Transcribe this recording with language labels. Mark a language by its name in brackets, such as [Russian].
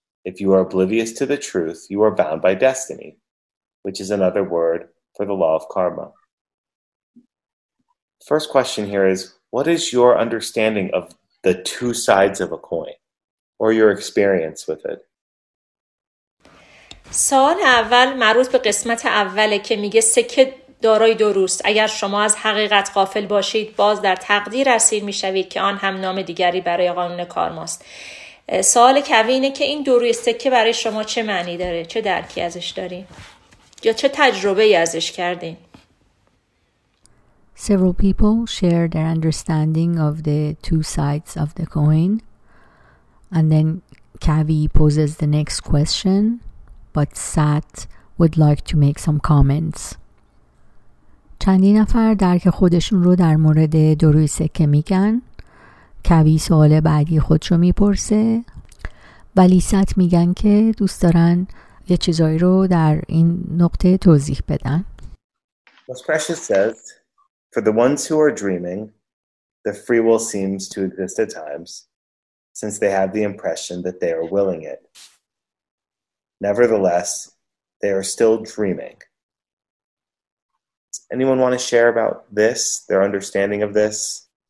[English] If you are oblivious to the truth, you are bound by destiny, which is another word for the law of karma. First question here is, what is your understanding of the two sides of a coin, or your experience with it? [Persian] سوال اول مربوط به قسمت اوله که میگه سکه دارای دو روست. اگر شما از حقیقت غافل باشید باز در تقدیر اسیر میشوید که آن هم نام دیگری برای قانون کارماست. سوال کوینه که این دو روی سکه برای شما چه معنی داره؟ چه درکی ازش دارین؟ یا چه تجربه ای ازش کردین؟ [English] Several people share their understanding of the two sides of the coin. And then Kavi poses the next question. But Sat would like to make some comments. [Persian] چندی نفر درک خودشون رو در مورد دو روی سکه میگن. کوی سوال بعدی خودش رو میپرسه. ولی سات میگن که دوست دارن یه چیزایی رو در این نقطه توضیح بدن. [English] What Precious says, for the ones who are dreaming, the free will seems to exist at times, since they have the impression that they are willing it. Nevertheless, they are still dreaming. Does anyone want to share about this, their understanding of this?